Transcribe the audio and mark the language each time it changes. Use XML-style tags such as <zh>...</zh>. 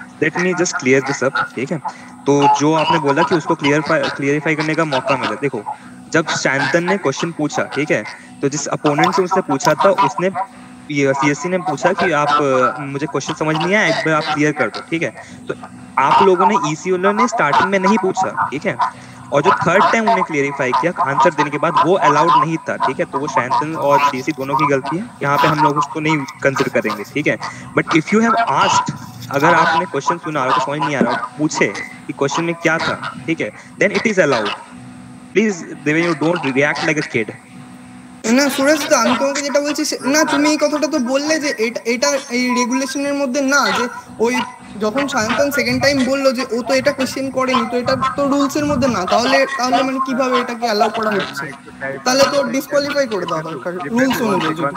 <en>Let me just clear this up,</en> <hi>ठीक है? तो जो आपने बोला कि उसको clarify करने का मौका मिला, देखो, जब शांतन ने question पूछा, ठीक है? तो जिस opponent से उसने पूछा था, उसने CSC ने पूछा कि आप मुझे question समझ नहीं आया, एक बार आप clear कर दो, ठीक है? तो आप लोगों ने ECU ने starting में नहीं पूछा, ठीक है? और जो थर्ड टाइम उन्होंने क्लियरिफाई किया आंसर देने के बाद वो अलाउड नहीं था, ठीक है? तो वो शैंतन और सीसी दोनों की गलती है, यहाँ पे हम लोग उसको नहीं कंसिडर करेंगे, ठीक है?</hi> <en>but if you have asked,</en> <hi>अगर आपने क्वेश्चन सुना और समझ नहीं आ रहा, पूछे कि क्वेश्चन में क्या था, ठीक है,</hi> <en>Then it is allowed. Please Deven, you don't react like a kid.</en> <bn>না সুরেশ, আমি তোমাকে যেটা বলছি না, তুমি এই কথাটা তো বললে যে এটা এই রেগুলেশনের মধ্যে না, যে ওই যখন সায়ন্তন সেকেন্ড টাইম বললো যে ও তো এটা কোশ্চেন করেনি, তো এটা তো রুলস এর মধ্যে না. তাহলে মানে কিভাবে এটাকে অ্যালাউ করা হচ্ছে? তাহলে তো ডিসকোয়ালিফাই করে দাও দরকার রুলস অনুযায়ী.</bn>